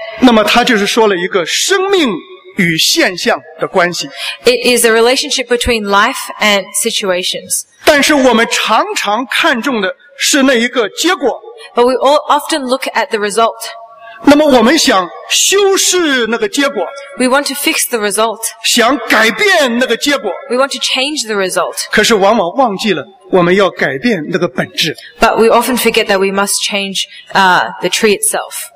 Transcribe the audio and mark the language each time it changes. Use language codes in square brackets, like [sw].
[zh] 那么它就是说了一个生命与现象的关系。 [en] It is a relationship between life and situations. [zh] 但是我们常常看重的是那一个结果。 [en] But we all often look at the result. [zh] 那么我们想修饰那个结果。 [en] We want to fix the result. [zh] 想改变那个结果。 [en] We want to change the result. [zh] 可是往往忘记了我们要改变那个本质。 [en] But we often forget that we must change, the tree itself.